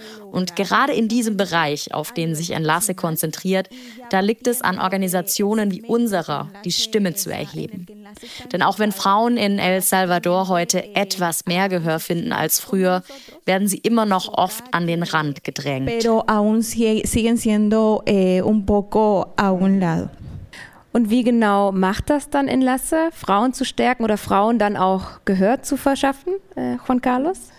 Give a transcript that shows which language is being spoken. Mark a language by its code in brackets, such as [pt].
[de] Und gerade in diesem Bereich, auf den sich Enlace konzentriert, da liegt es an Organisationen wie unserer, die Stimme zu erheben. Denn auch wenn Frauen in El Salvador heute etwas mehr Gehör finden als früher, werden sie immer noch oft an den Rand gedrängt. [es] Pero aún siguen siendo un poco a un lado. [de] Und wie genau macht das dann Enlace, Frauen zu stärken oder Frauen dann auch Gehör zu verschaffen, Juan Carlos?